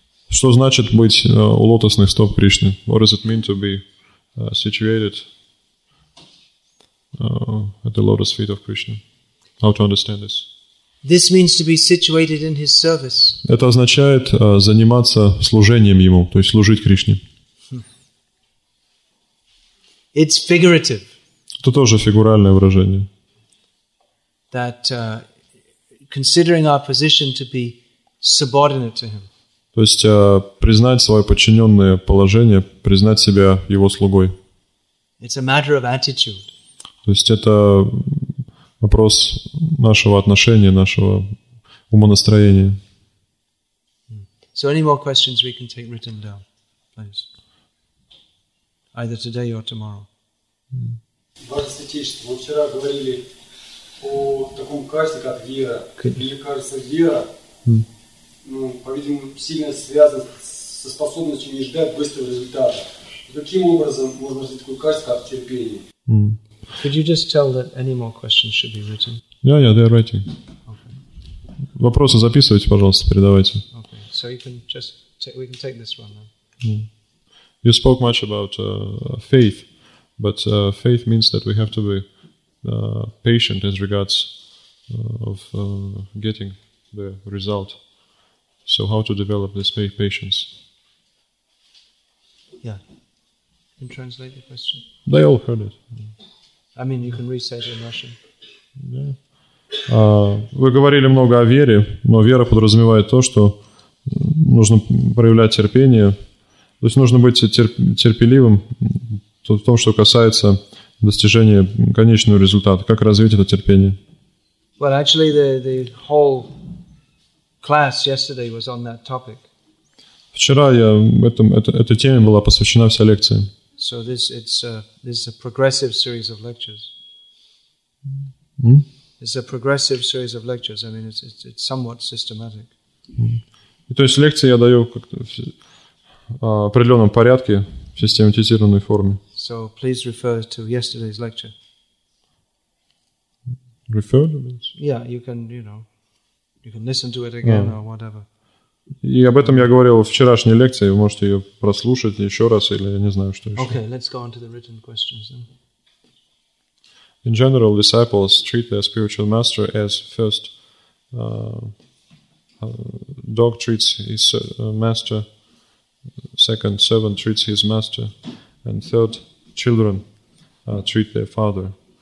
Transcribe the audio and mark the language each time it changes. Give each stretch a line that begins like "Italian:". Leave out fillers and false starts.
Russian: Что значит быть у лотосных стоп Кришны?
English: What does it mean to be situated at the lotus feet of Krishna? How to understand this? This means to be situated in his service.
Russian: Это означает заниматься служением ему, то есть служить Кришне.
English: It's figurative.
Russian: Это тоже фигуральное выражение.
English: That considering our position to be subordinate to him.
Russian: То есть признать свое подчиненное положение, признать себя его слугой.
English: It's a matter of attitude.
Russian: То есть это вопрос нашего отношения, нашего умонастроения.
English: So any more questions we can take written down, please. Either today or tomorrow.
Russian: Ваше святейшество, вы вчера говорили о таком касте, как вера. Мне кажется, вера... Ну, по-видимому, сильно связан со способностью не ждать быстрого результата. Каким образом можно развить такую качество в терпении?
English: Could you just tell that any more questions should be written? Yeah, they're writing. Okay.
Russian: Вопросы записывайте, пожалуйста, передавайте.
English: Okay. So you can just we can take this one then. You spoke much about faith, but faith means that we have to be patient as regards of getting the result. So how to develop this patience? Yeah. You can translate the question. They all heard it. I mean, you can re-say it in Russian. Yeah.
Russian: Вы говорили много о вере, но вера подразумевает то, что нужно проявлять терпение. То есть нужно быть терпеливым в том, что касается достижения конечного результата. Как развить это терпение?
English: Well, actually, the whole... Class yesterday was on that topic.
Russian: Вчера я этой теме была посвящена вся лекция.
English: So this is a progressive series of lectures. It's a progressive series of lectures. I mean, it's somewhat systematic.
Russian: То есть лекции я даю как-то в определенном порядке, в систематизированной форме.
English: So please refer to yesterday's lecture. Refer to it? Yeah, You can listen to it again or whatever.
Russian: И об этом я говорил в вчерашней лекции. Вы можете ее прослушать еще раз, или я не знаю, что еще.
English: Okay, let's go on to the written questions then. In general, disciples treat their spiritual master as first dog treats his master, second servant treats his master, and third children treat their father.